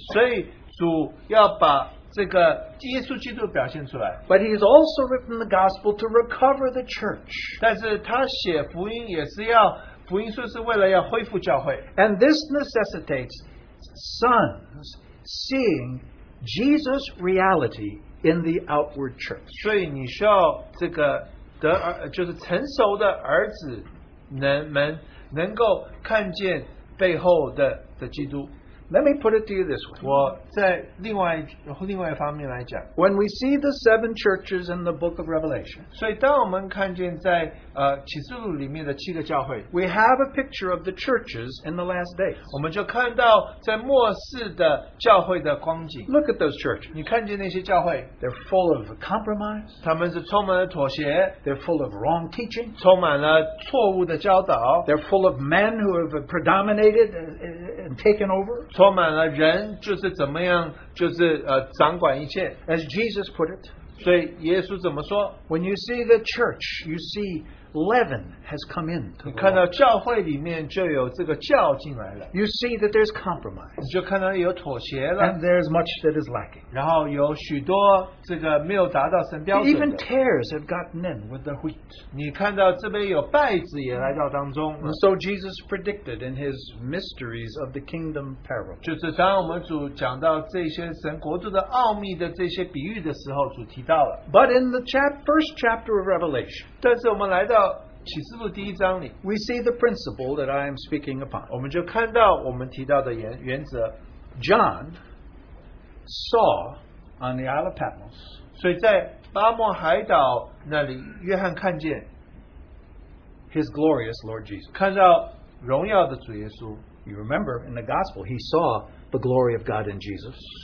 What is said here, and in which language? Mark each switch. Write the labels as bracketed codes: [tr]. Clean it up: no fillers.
[en] But he's also written the gospel to recover the church. And this necessitates sons seeing Jesus' reality in the outward church. [zh] 所以你需要这个就是成熟的儿子 能够看见背后的基督. [en] Let me put it to you this way. [zh] 我在另外一方面来讲, [en] when we see the seven churches in the book of Revelation, [zh] 所以当我们看见在启示录里面的七个教会, [en] we have a picture of the churches in the last days. [zh] 我们就看到在末世的教会的光景. [en] Look at those churches. [zh] 你看见那些教会, [en] they're full of compromise. [zh] 他们是充满了妥协, [en] they're full of wrong teaching. [zh] 充满了错误的教导. [en] They're full of men who have predominated and taken over. [zh] 充满了人就是怎么样就是掌管一切. [en] As Jesus put it, [zh] 所以耶稣怎么说? [en] When you see the church, you see leaven has come in. [zh] 你看到教会里面就有这个教进来了。 [en] You see that there's compromise. [zh] 你就看到有妥协了。 [en] And there's much that is lacking. [zh] 然后有许多这个没有达到神标准的。 [en] Even tares have gotten in with the wheat. [zh] 你看到这边有败子也来到当中。 [en] And so Jesus predicted in his mysteries of the kingdom parable. [zh] 就是当我们主讲到这些神国度的奥秘的这些比喻的时候。 [en] But in the first chapter of Revelation, [zh] 但是我们来到启示录第一章里, [en] we see the principle that I am speaking upon. [zh] 我们就看到我们提到的原则, [en] John saw on the Isle of Patmos, [zh] 所以在巴莫海岛那里, 约翰看见, [en] his glorious Lord Jesus. [zh] 看到荣耀的主耶稣, [en] you remember in the gospel, he saw the glory of God in Jesus.